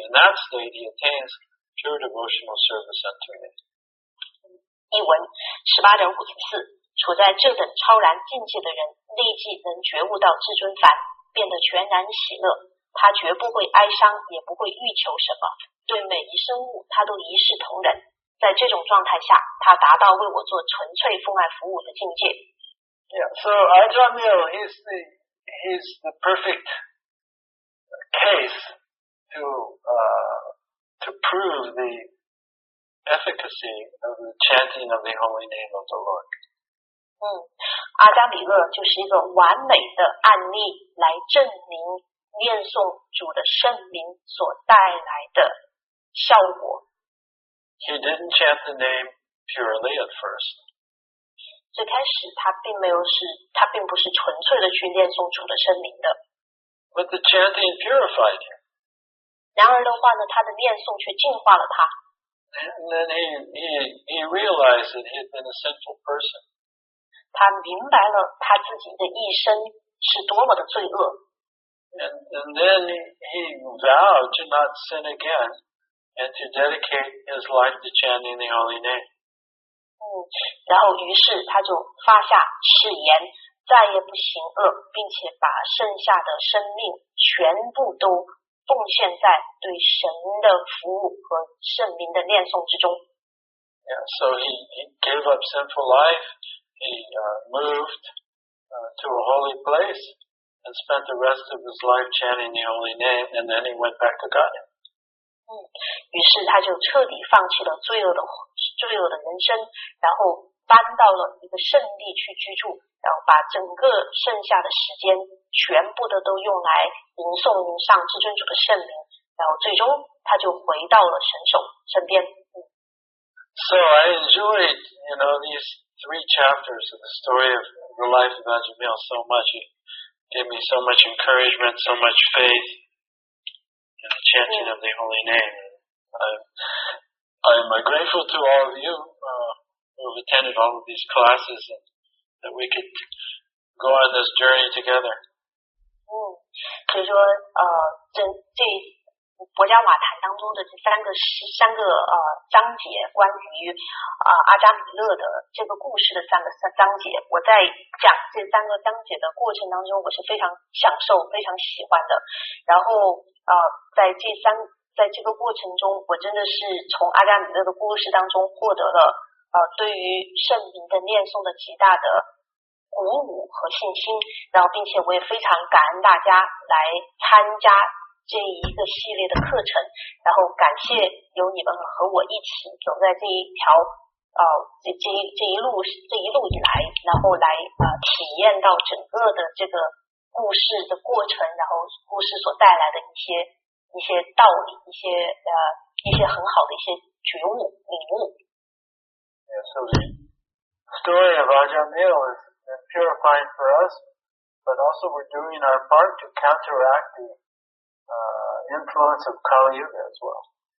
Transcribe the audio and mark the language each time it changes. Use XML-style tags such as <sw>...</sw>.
<en>In that state, he attains true devotional service unto me.</en> <zh>译文十八点五十四，处在这等超然境界的人，立即能觉悟到至尊凡，变得全然喜乐。他绝不会哀伤，也不会欲求什么。对每一生物，他都一视同仁。在这种状态下，他达到为我做纯粹奉爱服务的境界。</zh> <en>Yeah, so Ajahn Mill, he's the perfect case to prove the efficacy of the chanting of the holy name of the Lord.</en> <zh>阿加米勒就是一个完美的案例，来证明念诵主的圣名所带来的效果。</zh> <en>He didn't chant the name purely at first.</en> <zh>最开始他并没有是，他并不是纯粹的去念诵主的圣名的。</zh> <en>But the chanting purified him.</en> <zh>然而的话呢，他的念诵却净化了他。</zh> <en>And then he realized that he had been a sinful person.</en> <zh>他明白了他自己的一生是多么的罪恶。</zh> <en>And then he vowed to not sin again and to dedicate his life to chanting the holy name.</en> <zh>然后于是他就发下誓言，再也不行恶，并且把剩下的生命全部都奉献在对神的服务和圣名的念诵之中。</zh> <en>Yeah, so he gave up sinful life, he moved to a holy place, and spent the rest of his life chanting the holy name, and then he went back to God.</en> <zh>于是他就彻底放弃了罪恶的人生，然后搬到了一个圣地去居住，然后把整个剩下的时间全部的都用来吟诵吟上至尊主的圣名，然后最终他就回到了神手身边。</zh> <en>So I enjoyed, you know, these three chapters of the story of the life of Ajahn Mill so much. It gave me so much encouragement, so much faith. And the chanting of the holy name. I'm grateful to all of you who have attended all of these classes and that we could go on this journey together.</en> <zh>所以说这博加瓦坦当中的这三个章节，关于阿扎米勒的这个故事的三章节，我在讲这三个章节的过程当中，我是非常享受、非常喜欢的。然后在这个过程中，我真的是从阿扎米勒的故事当中获得了对于圣名的念诵的极大的鼓舞和信心。然后，并且我也非常感恩大家来参加。这一个系列的课程，然后感谢有你们和我一起走在这一条这一路以来，然后来体验到整个的这个故事的过程，然后故事所带来的一些道理，一些很好的一些觉悟领悟。</zh> <en>Yes, so the story of Ajahn Mill is purifying for us, but also we're doing our part to counteract theinfluence of Kali Yuga as well.</en>